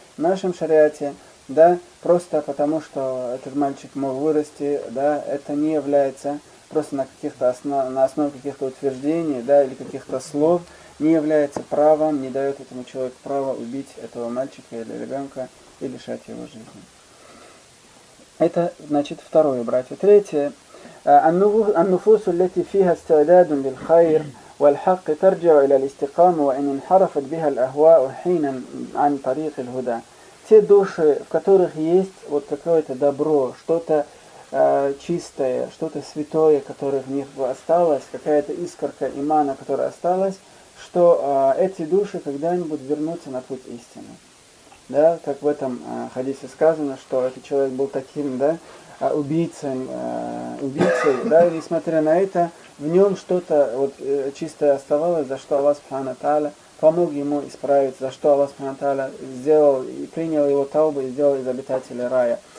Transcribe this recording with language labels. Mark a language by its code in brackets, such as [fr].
[ru] В нашем шариате, да, просто потому, что этот мальчик мог вырасти, да, это не является просто на каких-то на основе каких-то утверждений, да, или каких-то слов, не является правом, не дает этому человеку право убить этого мальчика или ребенка и лишать его жизни. Это, значит, второе, братья. Третье. [ar] النفوس التي فيها استعداد للخير والحق ترجع إلى الاستقامة وإن انحرفت بها الأهواء حينا عن طريق الهدى. [ru] Те души, в которых есть вот какое-то добро, что-то чистое, что-то святое, которое в них осталось, какая-то искорка имана, которая осталась, что эти души когда-нибудь вернутся на путь истины. Да, как в этом хадисе сказано, что этот человек был таким, да, убийцей, да, и несмотря на это, в нем что-то вот чистое оставалось, за что Аллах Субхану ва Тааля помог ему исправить, за что Аллах Субхану ва Тааля сделал и принял его таубу и сделал из обитателя рая.